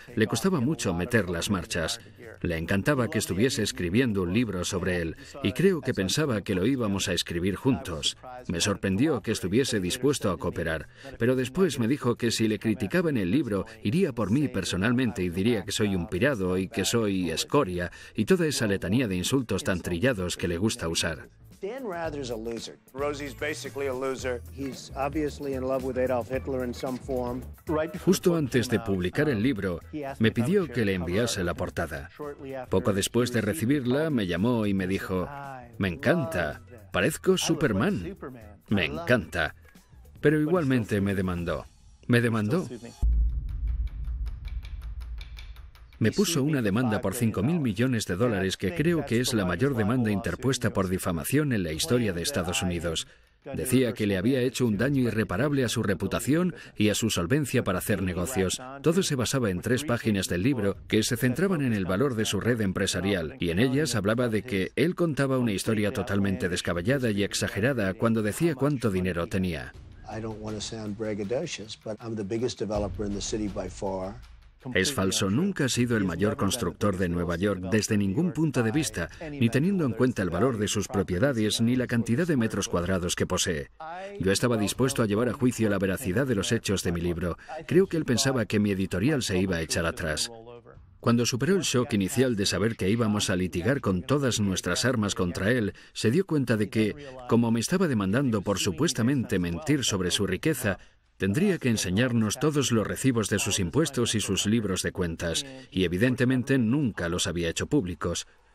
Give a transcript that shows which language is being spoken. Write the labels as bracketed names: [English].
[Spanish] Le costaba mucho meter las marchas. Le encantaba que estuviese escribiendo un libro sobre él y creo que pensaba que lo íbamos a escribir juntos. Me sorprendió que estuviese dispuesto a cooperar. Pero después me dijo que si le criticaba en el libro, iría por mí personalmente y diría que soy un pirado y que soy escoria y toda esa letanía de insultos tan trillados que le gusta usar. [English] Dan Rather's a loser. Rosie's basically a loser. He's obviously in love with Adolf Hitler in some form. [Spanish] Justo antes de publicar el libro, me pidió que le enviase la portada. Poco después de recibirla, me llamó y me dijo, me encanta, parezco Superman. Me encanta. Pero igualmente me demandó. Me demandó. Me puso una demanda por $5,000 millones, que creo que es la mayor demanda interpuesta por difamación en la historia de Estados Unidos. Decía que le había hecho un daño irreparable a su reputación y a su solvencia para hacer negocios. Todo se basaba en 3 páginas del libro que se centraban en el valor de su red empresarial, y en ellas hablaba de que él contaba una historia totalmente descabellada y exagerada cuando decía cuánto dinero tenía. [English] I don't want to sound braggadocious, but I'm the biggest developer in the city by far. [Spanish] Es falso, nunca ha sido el mayor constructor de Nueva York desde ningún punto de vista, ni teniendo en cuenta el valor de sus propiedades ni la cantidad de metros cuadrados que posee. Yo estaba dispuesto a llevar a juicio la veracidad de los hechos de mi libro. Creo que él pensaba que mi editorial se iba a echar atrás. Cuando superó el shock inicial de saber que íbamos a litigar con todas nuestras armas contra él, se dio cuenta de que, como me estaba demandando por supuestamente mentir sobre su riqueza, tendría que enseñarnos todos los recibos de sus impuestos y sus libros de cuentas, y evidentemente nunca los había hecho públicos.